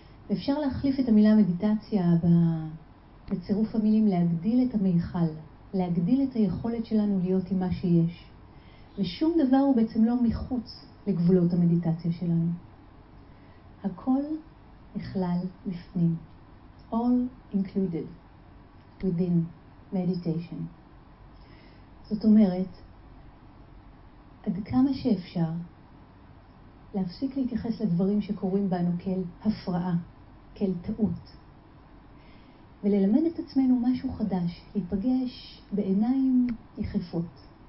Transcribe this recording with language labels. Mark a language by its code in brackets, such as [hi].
[he] ואפשר להחליף את המילה מדיטציה בצירוף המילים להגדיל את המיכל, להגדיל את היכולת שלנו להיות עם מה שיש. ושום דבר הוא בעצם לא מחוץ לגבולות המדיטציה שלנו. הכל נכלל בפנים. [en] All included within meditation. [he] זאת אומרת, עד כמה שאפשר להפסיק להתייחס לדברים שקורים בנו כאל הפרעה, כאל טעות, וללמד את עצמנו משהו חדש, להיפגש בעיניים יחפות.